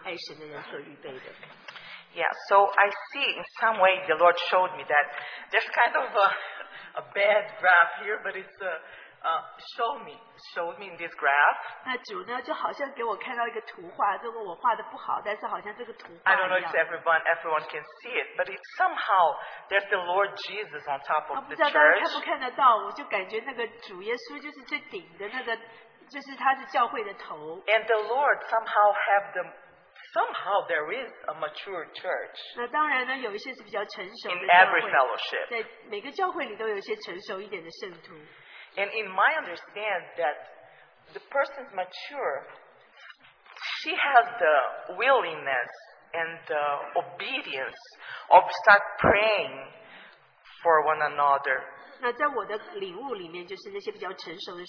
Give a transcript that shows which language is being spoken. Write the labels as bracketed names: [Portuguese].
[Chinese] 所以当我再回头看的时候，我就明白了，万有互相效益，就是为了那爱神的人所预备的。Yeah, [English] so I see in some way the Lord showed me that there's kind of a bad graph here, but it's showed me in this graph. [Chinese] 那主呢，就好像给我看到一个图画，这个我画的不好，但是好像这个图画一样。 [English] I don't know if everyone can see it, but it's somehow there's the Lord Jesus on top of the church. [Chinese] 不知道大家看不看得到，我就感觉那个主耶稣就是最顶的那个，就是他的教会的头。 [English] And the Lord somehow have the somehow there is a mature church. [Chinese] 那当然呢，有一些是比较成熟的。 [English] In every fellowship. [Chinese] 在每个教会里都有一些成熟一点的圣徒。 [English] And in my understanding that the person is mature, she has the willingness and the obedience of start praying for one another. [Chinese] 那在我的领悟里面，就是那些比较成熟的。